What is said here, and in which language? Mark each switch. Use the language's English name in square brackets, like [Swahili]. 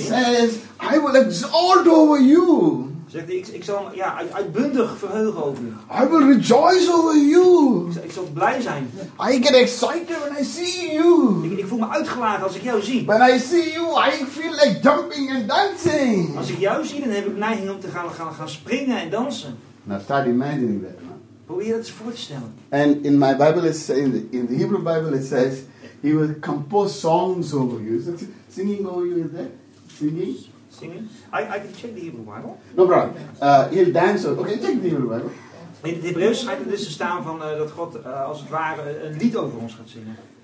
[English] says, I will exalt over you. [Dutch] Zegt hij, ik zal ja, uitbundig verheugen over u. [English] I will rejoice over you. [Dutch] Ik zal blij zijn. [English] I get excited when I see you. [Dutch] Ik voel me uitgelaten als ik jou zie. [English] When I see you, I feel like jumping and dancing. [Dutch] Als ik jou zie, dan heb ik neiging om te gaan springen en dansen. [English] Now start imagining that, man. [Dutch] Probeer dat eens voor te stellen. [English] And in my Bible, it says, in the Hebrew Bible, it says, he will compose songs over you. Singing over you, is that? Singing? Singing? I can check the Hebrew Bible. No problem. He'll dance over you. Okay, check the Hebrew Bible. [Dutch] In het Hebreeuws schijnt er dus te staan van dat God als het ware een lied over ons gaat zingen.